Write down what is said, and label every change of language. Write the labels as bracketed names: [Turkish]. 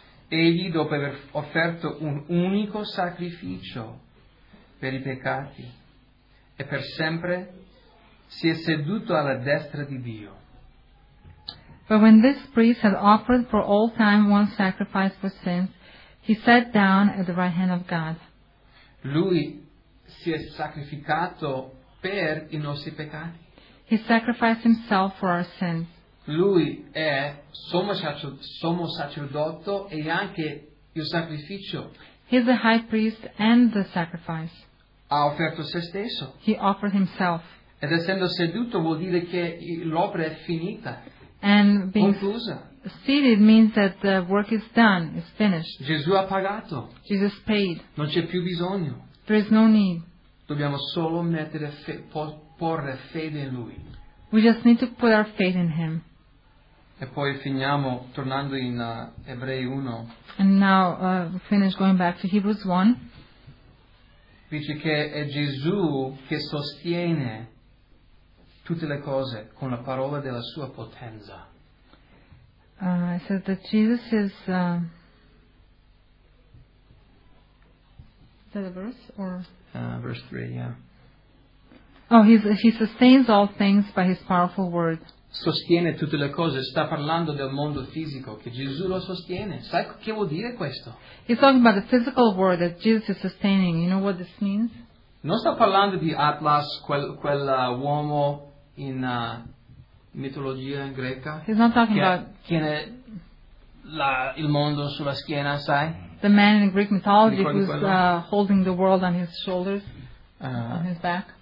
[Italian] Egli, dopo aver offerto un unico sacrificio per i peccati e per sempre, si è seduto alla destra di Dio. [English] But when this priest had offered for all time one sacrifice for sins, he sat down at the right hand of God. [Italian] Lui si è sacrificato per i nostri peccati. [English] He sacrificed himself for our sins. [Italian] Lui è sommo sacerdote e anche il sacrificio. [English] He is the high priest and the sacrifice. [Italian] Ha offerto se stesso. [English] He offered himself. [Italian] Ed essendo seduto vuol dire che l'opera è finita. [English] And being [Italian] conclusa. [English] Seated means that the work is done, it's finished. [Italian] Gesù ha pagato. [English] Jesus paid. [Italian] Non c'è più bisogno. [English] There is no need. [Italian] Dobbiamo solo mettere porre fede in Lui. [English] We just need to put our faith in Him. [Italian] E poi finiamo tornando in Ebrei 1. [English] And now we finish going back to Hebrews 1. [Italian] Dice che è Gesù che sostiene tutte le cose con la parola della sua potenza. [English] It says that Jesus is that a verse or verse 3, yeah. Oh, he sustains all things by his powerful word. [Italian] Sostiene tutte le cose. Sta parlando del mondo fisico, che Gesù lo sostiene. Sai che vuol dire questo? [English] He's talking about the physical world that Jesus is sustaining. You know what this means? [Italian] Non sta parlando di Atlas, quel uomo in mitologia greca. [English] He's not talking [Italian] che [English] about [Italian] tiene il mondo sulla schiena, sai? [English] The man in Greek mythology who's holding the world on his shoulders, on his back.